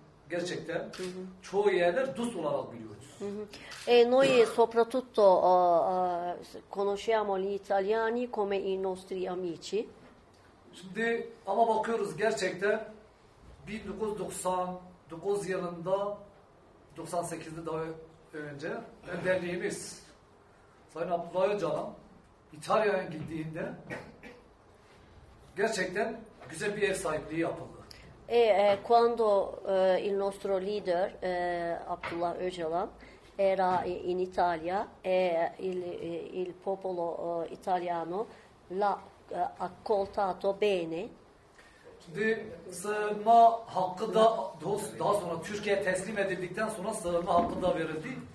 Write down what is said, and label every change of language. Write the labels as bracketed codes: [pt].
[tr] gerçekten çoğu yerler DUS olarak biliyoruz. [it] E noi soprattutto conosciamo gli italiani come i nostri amici. [tr] Şimdi ama bakıyoruz gerçekten 1999 yılında 98'de daha önce önderliğimiz Sayın Abdullah Öcalan İtalya'ya gittiğinde gerçekten güzel bir ev sahipliği yapıldı. [it] Quando il nostro leader Abdullah Öcalan era in Italia e il popolo italiano l'ha accoltato bene. [tr] Şimdi sığınma hakkı da daha sonra Türkiye'ye teslim edildikten sonra sığınma hakkı da verildi.